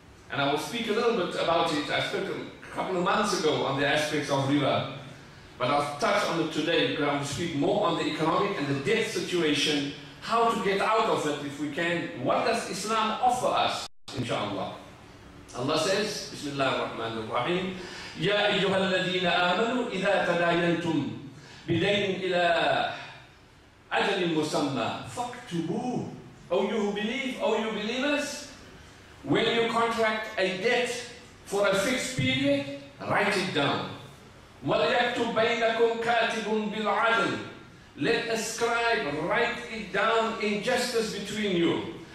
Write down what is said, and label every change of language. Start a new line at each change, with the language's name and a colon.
English: And I will speak a little bit about it. I spoke a couple of months ago on the aspects of riba. But I'll touch on it today because I'm going to speak more on the economic and the debt situation, how to get out of it if we can. What does Islam offer us, inshallah? Allah says,
Arabic: Bismillah ar-Rahman ar-Rahim, يَا أَيُّهَا الَّذِينَ آمَنُوا إِذَا تَدَايَنْتُمْ بِدَيْنٍ إِلَىٰ أَجَلٍ مُسَمَّى فَاكْتُبُوهُ.
English: O you believers, when you contract a debt for a fixed period, write it down.
Arabic: وَلْيَكْتُبْ بَيْنَكُمْ كَاتِبٌ بِالْعَدْلِ.
English: Let a scribe write it down in justice between you.